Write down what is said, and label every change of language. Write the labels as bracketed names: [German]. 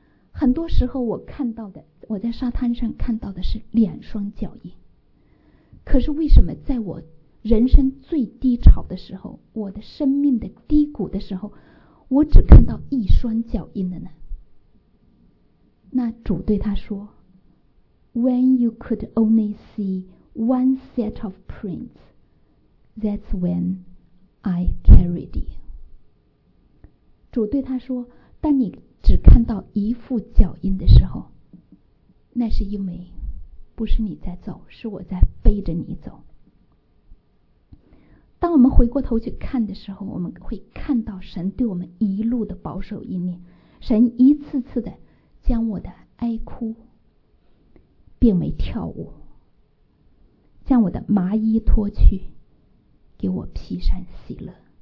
[Chinese] 很多时候我看到的，我在沙滩上看到的是两双脚印，可是为什么在我人生最低潮的时候，我的生命的低谷的时候，我只看到一双脚印的呢？那主对他说 [English] When you could only see one set of prints, that's when I carried you. [Chinese] 主对他说，当你只看到一副脚印的时候，那是因为不是你在走，是我在背着你走。当我们回过头去看的时候，我们会看到神对我们一路的保守应验，神一次次的将我的哀哭变为跳舞，将我的麻衣脱去，给我披上喜乐。